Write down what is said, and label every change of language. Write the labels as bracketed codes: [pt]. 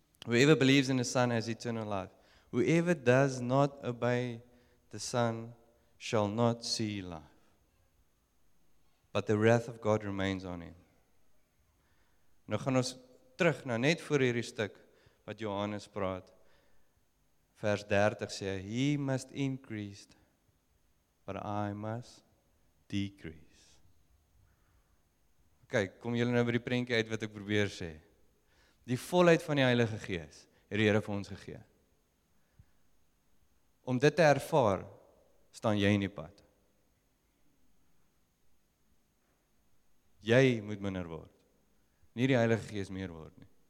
[en] Whoever believes in the Son has eternal life. Whoever does not obey the Son shall not see life. But the wrath of God remains on him. [af] Nou gaan ons terug na net voor hierdie stuk wat Johannes praat. Vers 30 sê, [en] He must increase, but I must decrease. [af] Kyk, kom julle nou by die prentjie uit wat ek probeer sê. Die volheid van die Heilige Gees het die Here vir ons gegee. Om dit te ervaar, staan jy in die pad. Jy moet minder word. Nie die Heilige Gees meer word nie.